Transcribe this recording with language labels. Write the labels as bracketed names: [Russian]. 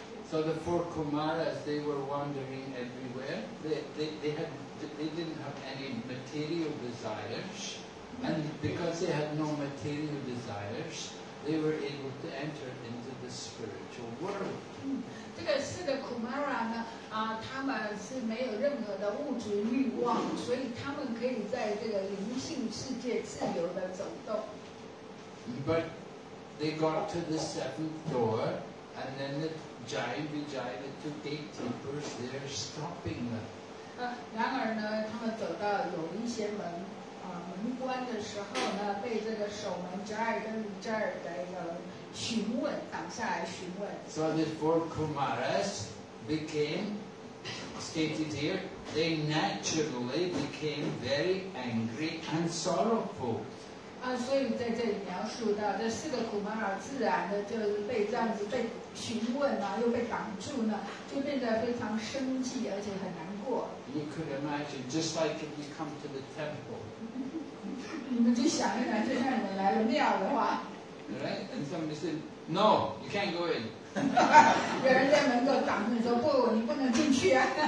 [English] So the four Kumaras, they were wandering everywhere. They didn't have any material desires, and because they had no material desires. They were able to enter into the spiritual world. [Chinese] 这个四个 Kumara 呢，啊，他们是没有任何的物质欲望，所以他们可以在这个灵性世界自由的走动。 [English] But they got to the seventh door, and then the giant Vijaya, the two gatekeepers, they're stopping them. [Chinese] 然而呢，他们走到有一些门。门关的时候呢，被这个守门加尔跟加尔的询问挡下来询问。 [English] So the four Kumaras became stated here. They naturally became very angry and sorrowful. [Chinese] 所以在这里描述到这四个 Kumara 自然的就是被这样子被询问啊，又被挡住呢，就变得非常生气，而且很难过。 [English] You could imagine, just like if you come to the temple. [Chinese] 你们就想一想，就像你们来了庙的话。 [English] Right? And somebody said, "No, you can't go in." [Chinese] 有人在门口挡住，说不，你不能进去啊。